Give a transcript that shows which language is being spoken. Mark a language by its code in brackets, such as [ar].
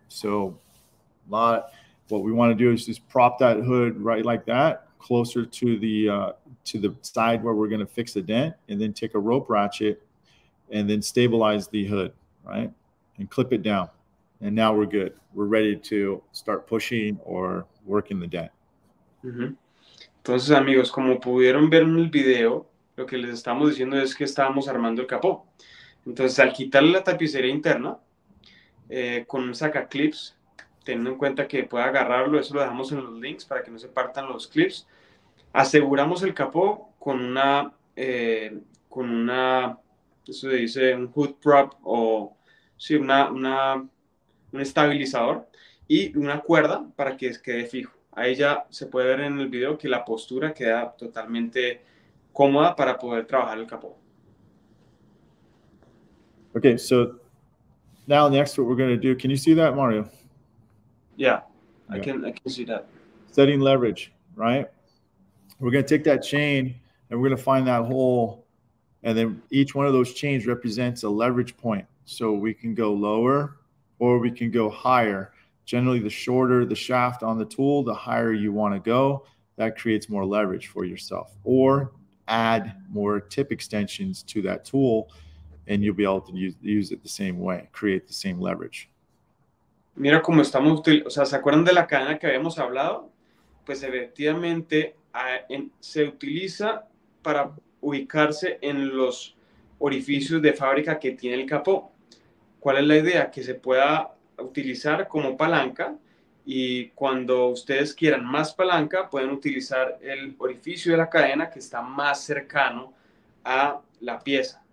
[en] So a lot. What we want to do is just prop that hood right like that, closer to the side where we're going to fix the dent, and then take a rope ratchet and then stabilize the hood, right? And clip it down. And now we're good. We're ready to start pushing or working the dent. Mm-hmm. [es] Entonces, amigos, como pudieron ver en el video, lo que les estamos diciendo es que estábamos armando el capó. Entonces, al quitarle la tapicería interna, con un sacaclips, teniendo en cuenta que pueda agarrarlo, eso lo dejamos en los links para que no se partan los clips. Aseguramos el capó con una, eso se dice, un hood prop o, sí, un estabilizador y una cuerda para que quede fijo. Ahí ya se puede ver en el video que la postura queda totalmente cómoda para poder trabajar el capó. [en] Okay, so now next what we're going to do, can you see that, Mario? Yeah, I can see that. Setting leverage, right? We're going to take that chain and we're going to find that hole. And then each one of those chains represents a leverage point. So we can go lower or we can go higher. Generally, the shorter the shaft on the tool, the higher you want to go. That creates more leverage for yourself. Or add more tip extensions to that tool and you'll be able to use it the same way, create the same leverage. [es] Mira cómo estamos, o sea, ¿se acuerdan de la cadena que habíamos hablado? Pues efectivamente se utiliza para ubicarse en los orificios de fábrica que tiene el capó. ¿Cuál es la idea? Que se pueda utilizar como palanca y cuando ustedes quieran más palanca, pueden utilizar el orificio de la cadena que está más cercano a la pieza.